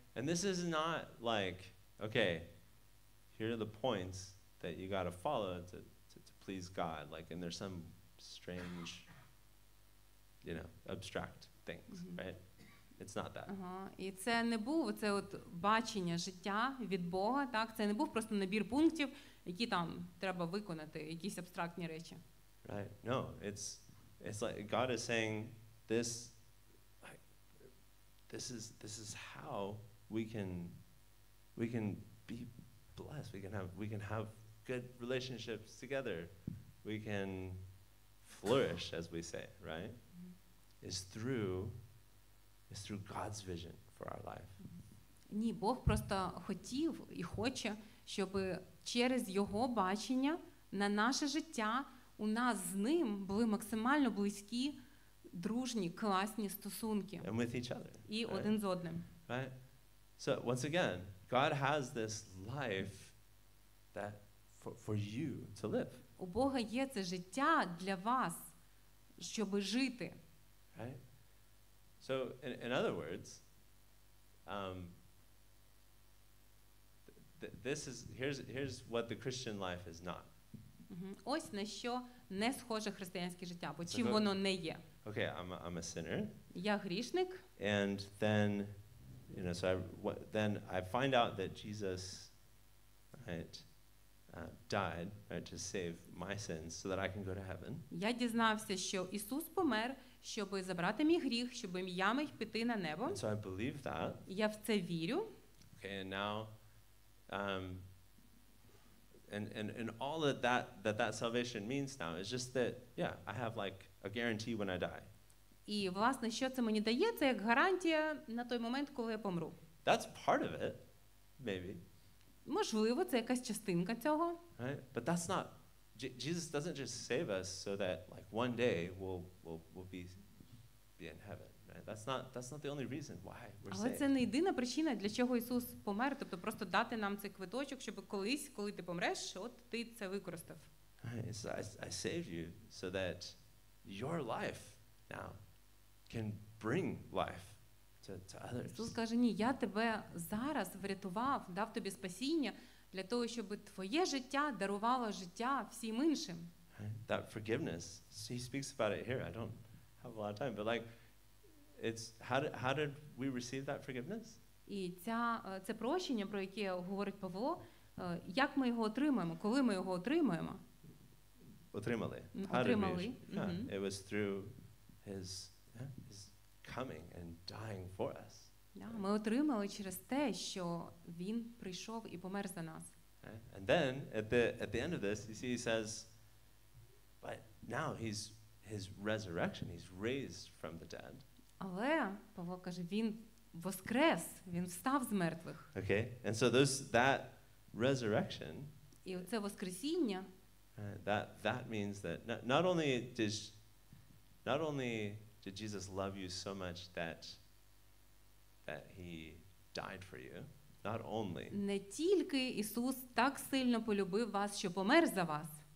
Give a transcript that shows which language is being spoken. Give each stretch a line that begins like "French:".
English: And this is not like, okay, here are the points that you got to follow to please God. Like, and there's some strange, you know, abstract things, right? It's not that.
Ukrainian: І це не був це от бачення життя від Бога, так? Це не був просто набір пунктів, які там треба виконати, якісь абстрактні речі.
English: Right? No, it's like God is saying this is how we can be blessed. We can have good relationships together. We can flourish, as we say, right? It's through God's vision for our life.
Ukrainian: Ні, Бог просто хотів і хоче, щоб через його бачення на наше життя у нас з ним були максимально близькі дружні, класні стосунки.
English: And with each other.
Ukrainian: І right? Один з одним.
English: Right? So, once again, God has this life that for you to live.
Ukrainian: У Бога є це життя для вас, щоб жити.
English: Right? So, in other words, here's what the Christian life is not.
Ukrainian: Ось на що не схоже християнське життя, бо чим воно не є.
English: Okay, I'm a sinner.
Ukrainian: Я грішник.
English: And then, you know, so I find out that Jesus, right, died, right, to save my sins so that I can go to heaven.
Ukrainian: Я дізнався, що Ісус помер, щоб забрати мій гріх, щоб я міг піти на небо.
English: And so I believe that.
Ukrainian: Я в це вірю.
English: Okay, and now, and all of that that salvation means now is just that, yeah, I have like a guarantee when I die.
Ukrainian: І власне, що це мені дає, це як гарантія на той момент, коли я помру.
English: That's part of it, maybe.
Ukrainian: Можливо, це якась частинка цього.
English: Right? But that's not. Jesus doesn't just save us so that like one day we'll be in heaven. Right? That's not the only reason why we're saved.
Ukrainian: Але це не єдина причина, для чого Ісус помер, тобто просто дати нам цей квиточок, щоб колись, коли ти помреш, от ти це використав.
English: I save you so that your life now can bring life to others.
Ukrainian: Ісус каже: "Ні, я тебе зараз врятував, дав тобі спасіння для того, щоб твоє життя дарувало життя всім іншим."
English: That forgiveness. He speaks about it here. I don't have a lot of time, but like it's how did we receive that forgiveness?
Ukrainian: І це прощення, про яке говорить Павло, як ми його отримаємо, коли ми його отримаємо? Отримали. Отримали.
English: It was through his coming and dying for us.
Ukrainian: Yeah, ми отримали через те, що він прийшов і помер за нас.
English: And then at the end of this, you see, he says, but now his resurrection, he's raised from the dead.
Ukrainian: Але Павло каже, він воскрес, він встав з мертвих.
English: Okay, and so that resurrection.
Ukrainian: І це воскресіння.
English: That means that not only did Jesus love you so much that he died for you, not only.
Ukrainian: Не тільки Ісус так сильно полюбив вас, що помер за вас.